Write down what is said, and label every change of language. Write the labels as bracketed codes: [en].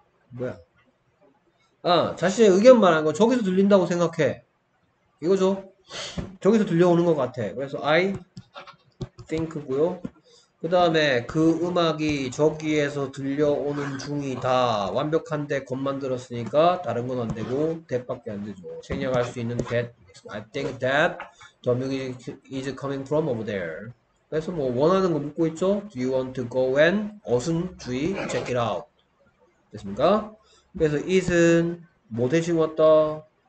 [ko] 뭐야. 아, 자신의 의견 말한 거 저기서 들린다고 생각해. 이거죠. 저기서 들려오는 것 같아. 그래서 I think고요. 그 다음에 그 음악이 저기에서 들려오는 중이다. 완벽한데 곧 만들었으니까 다른 건안 되고 that밖에 안 되죠. 생략할 수 있는 that. [en] I think that the music is coming from over there. [ko] 그래서 뭐 원하는 거 묻고 있죠. [en] Do you want to go and [ko] 어순주의 [en] check it out. [ko] 됐습니까? 그래서 it은 뭐 대신 왔다.